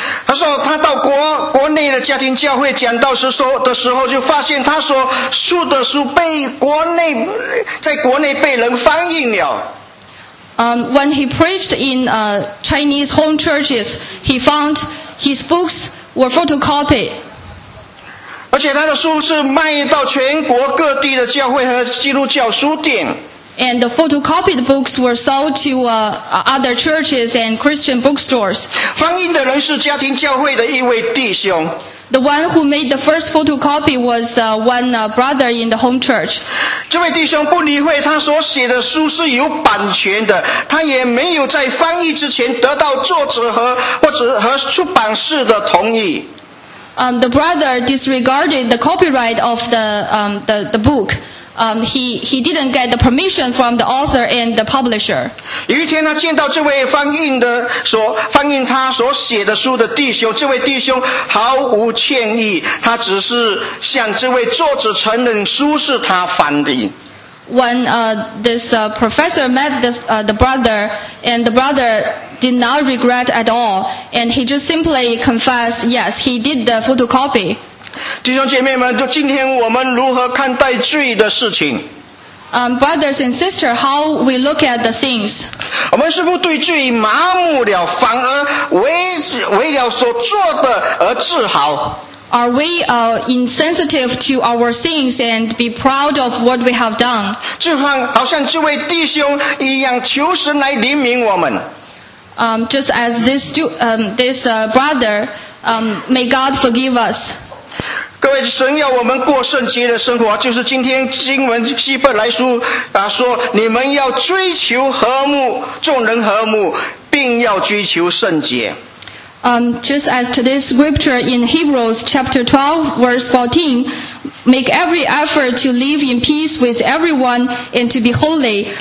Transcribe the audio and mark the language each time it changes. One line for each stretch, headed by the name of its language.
Chinese: 他说他到国内的家庭教会讲道的时候，就发现他所出的书被国内被人翻译了。
English: when he preached in Chinese home churches, he found his books were photocopied.
Chinese: 而且他的书是卖到全国各地的教会和基督教书店。
English: And the photocopied books were sold to other churches and Christian bookstores.
Chinese: 翻印的人是家庭教会的一位弟兄。
English: The one who made the first photocopy was one brother in the home church.
Chinese: 这位弟兄不理会他所写的书是有版权的，他也没有在翻译之前得到作者或者出版社的同意。
English: The brother disregarded the copyright of the book. He didn't get the permission from the author and the publisher.
Chinese: 有一天他见到这位翻译他所写的书的弟兄，这位弟兄毫无歉意，他只是向这位作者承认书是他翻的。
English: When this professor met this the brother, and the brother did not regret at all, and he just simply confessed, yes, he did the photocopy.
Chinese: 弟兄姐妹们，就今天我们如何看待罪的事情？
English: Brothers and sisters, how we look at the things?
Chinese: 我们是不是对罪麻木了，反而为了所做的而自豪？
English: Are we insensitive to our sins and be proud of what we have done?
Chinese: 好像这位弟兄一样求神来怜悯我们。
English: Just as this brother, may God forgive us.
Chinese: 各位，神要我们过圣洁的生活，就是今天经文希伯来书说，你们要追求和睦，众人和睦，并要追求圣洁。
English: Just as today's scripture in Hebrews chapter 12 verse 14, make every effort to live in peace with everyone and to be holy.